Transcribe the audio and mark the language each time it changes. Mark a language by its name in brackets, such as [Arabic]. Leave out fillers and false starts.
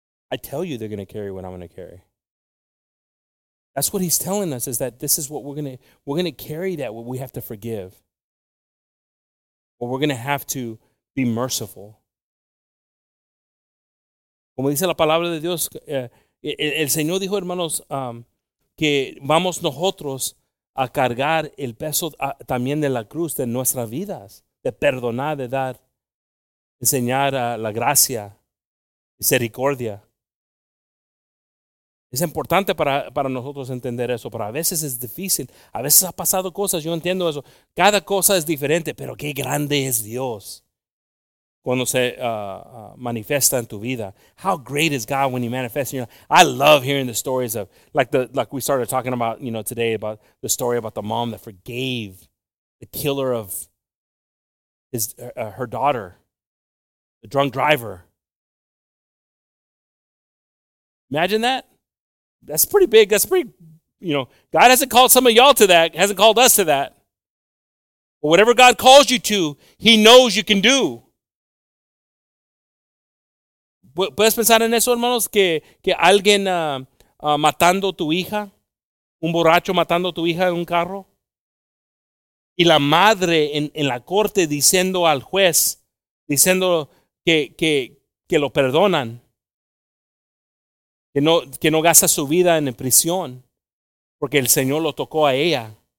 [English] I tell you, they're going to carry what I'm going to carry. That's what he's telling us, is that this is what we're going to carry, that what we have to forgive. Or we're going to have to be merciful. [Spanish] Como dice la palabra de Dios, el Señor dijo, hermanos, que vamos nosotros a cargar el peso también de la cruz de nuestras vidas, de perdonar, de dar, enseñar la gracia, misericordia. Es importante para nosotros entender eso, pero a veces es difícil. A veces ha pasado cosas, yo entiendo eso. Cada cosa es diferente, pero qué grande es Dios cuando se manifiesta en tu vida. [English] How great is God when he manifests? You know, I love hearing the stories of, like we started talking about, you know, today, about the story about the mom that forgave the killer of her daughter, the drunk driver. Imagine that. That's pretty big. That's pretty, you know, God hasn't called some of y'all to that. Hasn't called us to that. But whatever God calls you to, he knows you can do. [Spanish] ¿Puedes pensar en eso, hermanos? Que alguien matando tu hija, un borracho matando tu hija en un carro, y la madre en la corte diciendo al juez, diciendo que lo perdonan, que no gasta su vida en prisión, porque el Señor lo tocó a ella.